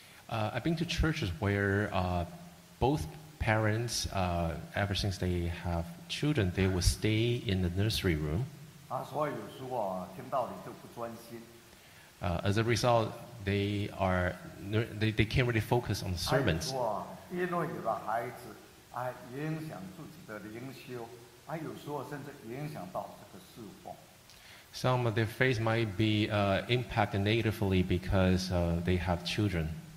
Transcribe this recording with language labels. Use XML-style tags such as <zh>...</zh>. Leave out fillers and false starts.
<en>I've been to churches where both parents, ever since they have children, they will stay in the nursery room.</en> <zh>所以有时候听道理就不专心。</zh> <en>As a result, they can't really focus on the sermons.</en> <zh>还有说，因为有了孩子，影响自己的灵修，还有时候甚至影响到这个侍奉。</zh> <en>Some of their faith might be impacted negatively because they have children.</en>